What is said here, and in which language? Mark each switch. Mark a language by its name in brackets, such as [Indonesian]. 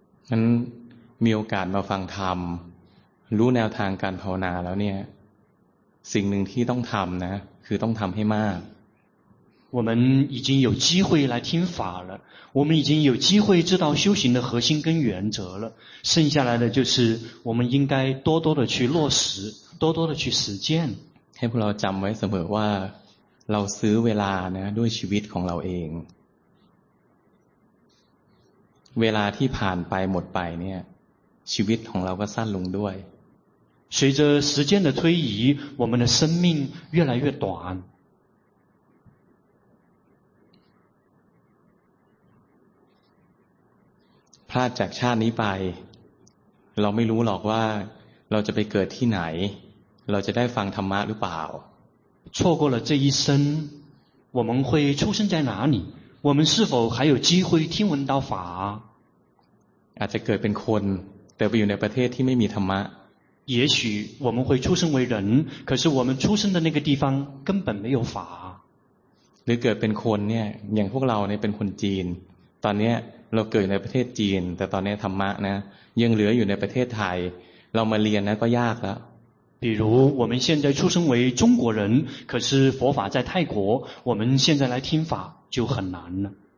[Thai] งั้นมีโอกาสมาฟังธรรมรู้แนวทางการภาวนาแล้วเนี่ยสิ่งหนึ่งที่ต้องทำนะคือต้องทำให้มาก [Chinese] 我们已经有机会来听法了我们已经有机会知道修行的核心跟原则了剩下来的就是我们应该多多的去落实多多的去实践 [Thai] ให้พวกเราจำไว้เสมอว่าเราซื้อเวลานะด้วยชีวิตของเราเองเวลาที่ผ่านไปหมดไปเนี่ยชีวิตของเราก็สั้นลงด้วย [Chinese] 随着时间的推移我们的生命越来越短 [Thai] พลาดจากชาตินี้ไปเราไม่รู้หรอกว่าเราจะไปเกิดที่ไหนเราจะได้ฟังธรรมะหรือเปล่า [Chinese] 错过了这一生我们会出生在哪里我们是否还有机会听闻到法 [Thai] อาจจะเกิดเป็นคนแต่ไปอยู่ในประเทศที่ไม่มีธรรมะ [Chinese] 也许我们会出生为人可是我们出生的那个地方根本没有法 [Thai] หรือเกิดเป็นคนเนี่ยอย่างพวกเราเนี่ยเป็นคนจีนตอนเนี้ยเราเกิดในประเทศจีนแต่ตอนนี้ธรรมะนะยังเหลืออยู่ในประเทศไทยเรามาเรียนนะก็ยากแล้ว [Chinese] 比如我们现在出生为中国人可是佛法在泰国我们现在来听法就很难